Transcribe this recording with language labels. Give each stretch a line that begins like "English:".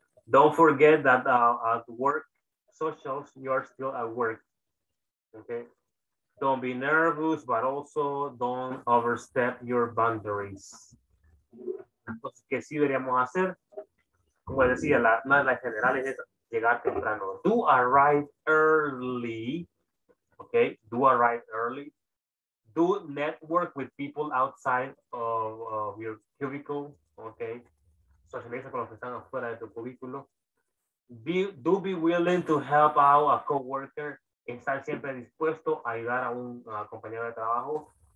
English: Don't forget that at work, socials, you're still at work. Okay. Don't be nervous, but also don't overstep your boundaries.
Spanish: Entonces, ¿qué sí deberíamos hacer? Como decía, una de las generales es llegar temprano.
English: Do arrive early. Okay. Do arrive early. Do network with people outside of your cubicle. Okay.
Spanish: Socializa con los que están afuera de tu cubículo.
English: Do be willing to help out a coworker.
Spanish: Estar siempre dispuesto a ayudar a un compañero de trabajo.